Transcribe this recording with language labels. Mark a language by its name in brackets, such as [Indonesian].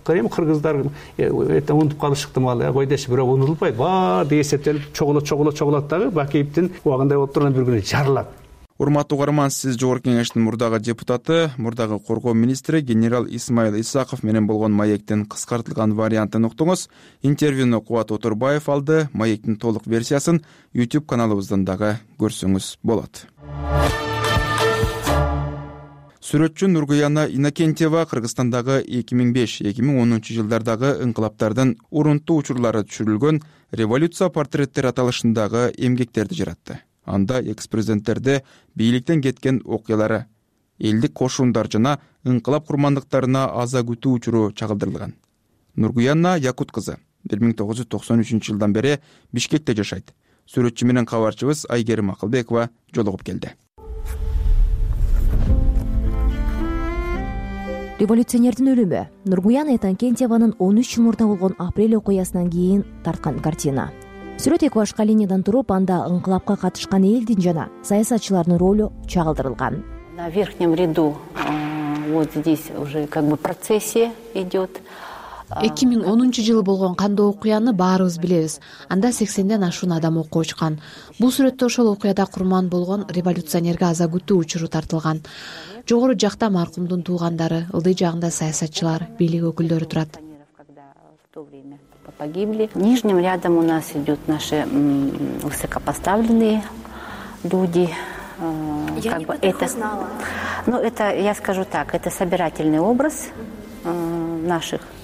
[Kyrgyz] Эми кыргыздар унутуп калышы ыктымал, кой деши, бирок унутулбайт, баардыгы эсептелип чогулат дагы Бакиевдин убагындай болуп турган бир күнү жарылат. Урматтуу угарман, сиз Жогорку Кеңештин мурдагы депутаты, мурдагы коргоо министри генерал Исмаил Исаков менен болгон маектин кыскартылган вариантын уктуңуз. Интервьюну Кубат Оторбаев алды. Маектин толук версиясын YouTube каналыбыздан дагы көрсөңүз болот. Сүрөтчү Нургуяна Иннокентиева Кыргызстандагы 2005-2010 жылдардагы ынкылаптардын урунтуу учурлары түшүрүлгөн революция портреттер аталышындагы эмгектерди жаратты. Анда экс-президенттерде бийликтен кеткен окуялары, элдик кошуундар жана ынкылап курмандыктарына аза күтүү учуру чагылдырылган. Нургуяна Якут кызы 1993 жылдан бери Бишкекте жашайт. Сүрөтчү менен кабарчыбыз Айгерим Акылбекова жолугуп келди. Революционердин өлүмү Нургуяна Иннокентиеванын 13 жыл мурда болгон апрель окуясынан кийин тарткан картина. Сүрөт эки башка линиядан туруп, анда ынкылапка катышкан элдин жана саясатчылардын ролу чагылдырылган. [Russian] На верхнем ряду вот здесь уже как бы процессия идет. [Kyrgyz] 2010 жылы болгон кандоо окуяны баарыбыз билебиз. Анда 80 ашуун адам окуп чыккан. Бул сүрөттө ошол окуяда курман болгон революционерге аза күтүү учуру тартылган. Жогору жакта маркумдун туугандары, ылдый жагында саясатчылар, бийлик өкүлдөрү турат. [Russian] Погибли. Нижним рядом у нас идут наши высокопоставленные люди. Я скажу так, это собирательный образ наших.